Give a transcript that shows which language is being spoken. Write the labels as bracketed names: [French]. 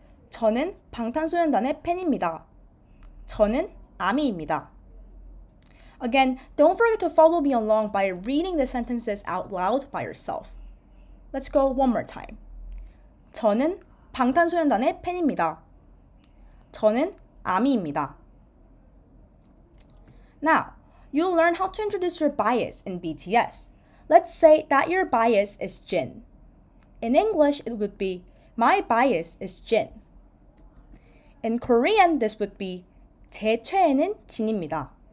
[Korean] 저는 방탄소년단의 팬입니다. 저는 아미입니다. [English] Again, don't forget to follow me along by reading the sentences out loud by yourself. Let's go one more time. [Korean] 저는 방탄소년단의 팬입니다. 저는 아미입니다. [English] Now, you'll learn how to introduce your bias in BTS. Let's say that your bias is Jin. In English, it would be, my bias is Jin. In Korean, this would be, [Korean] 제 최애는 진입니다.